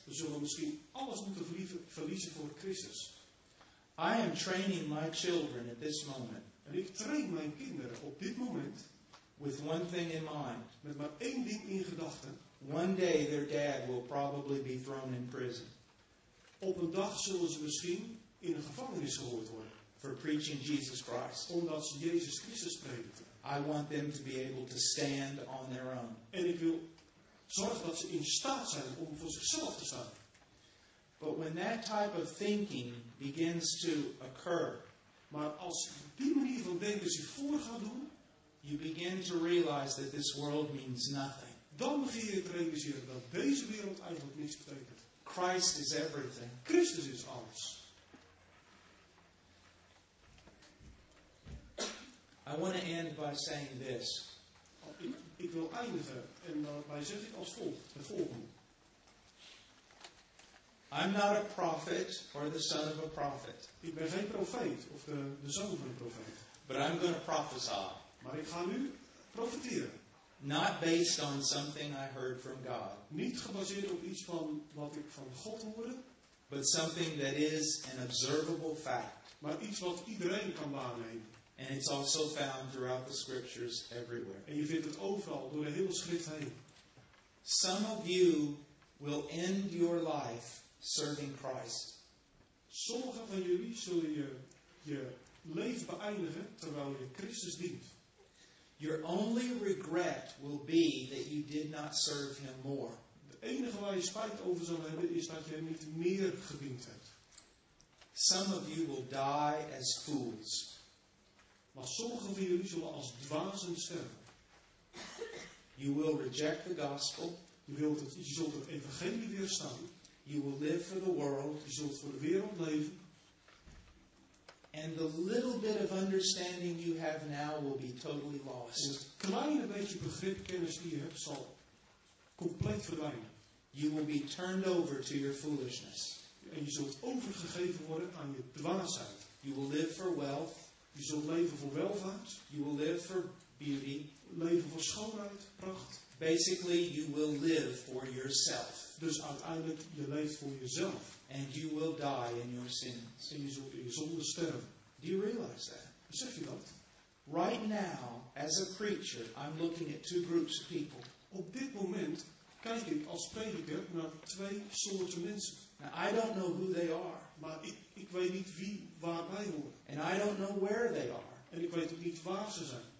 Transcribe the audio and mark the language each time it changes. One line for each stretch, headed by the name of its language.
Dutch: We zullen misschien alles moeten verliezen voor Christus.
English: I am training my children at this moment.
Dutch: En ik train mijn kinderen op dit moment.
English: With one thing in mind.
Dutch: Met maar één ding in gedachten.
English: One day their dad will probably be thrown in prison.
Dutch: Op een dag zullen ze misschien in een gevangenis gehoord worden.
English: For preaching Jesus Christ.
Dutch: Omdat ze Jezus Christus predikten.
English: I want them to be able to stand on their own.
Dutch: En ik wil zorgen dat ze in staat zijn om voor zichzelf te staan.
English: But when that type of thinking begins to occur.
Dutch: Maar als die manier van denken zich voor gaat doen.
English: You begin to realize that this world means nothing.
Dutch: Dan begin je te realiseren dat deze wereld eigenlijk niets betekent.
English: Christ is everything.
Dutch: Christus is alles.
English: I want to end by saying this.
Dutch: Ik wil eindigen en daarbij zeg ik als volgt, het volgende.
English: I'm not a prophet or the son of a prophet.
Dutch: Ik ben geen profeet of de zoon van een profeet.
English: But I'm going to prophesy.
Dutch: Maar ik ga nu profeteren.
English: Not based on something I heard from God.
Dutch: Niet gebaseerd op iets van wat ik van God hoorde.
English: But something that is an observable fact.
Dutch: Maar iets wat iedereen kan waarnemen.
English: And it's also found throughout the scriptures everywhere.
Dutch: En je vindt het overal door de hele schrift heen.
English: Some of you will end your life serving Christ.
Dutch: Sommigen van jullie zullen je leven beëindigen terwijl je Christus dient.
English: Your only regret will be that you did not serve him more.
Dutch: Het enige waar je spijt over zal hebben is dat je hem niet meer gediend hebt.
English: Some of you will die as fools.
Dutch: Maar sommigen van jullie zullen als dwazen sterven.
English: You will reject the gospel.
Dutch: Je zult het evangelie weerstaan.
English: You will live for the world.
Dutch: Je zult voor de wereld leven.
English: And the little bit of understanding you have now will be totally lost.
Dutch: Het kleine beetje begrip kennis die je hebt zal compleet verdwijnen.
English: You will be turned over to your foolishness.
Dutch: En je zult overgegeven worden aan je dwaasheid.
English: You will live for wealth.
Dutch: Je zult leven voor welvaart.
English: You will live for beauty.
Dutch: Leven voor schoonheid, pracht.
English: Basically, you will live for yourself.
Dutch: Dus uiteindelijk, je leeft voor jezelf.
English: And you will die in your sins.
Dutch: En je zult in je zonde sterven.
English: Do you realize that?
Dutch: Besef je dat?
English: Right now, as a preacher, I'm looking at two groups of people.
Dutch: Op dit moment kijk ik als prediker naar twee soorten mensen.
English: Now, I don't know who they are.
Dutch: Maar ik weet niet wie waarbij horen.
English: And I don't know where they are.
Dutch: En ik weet ook niet waar ze zijn.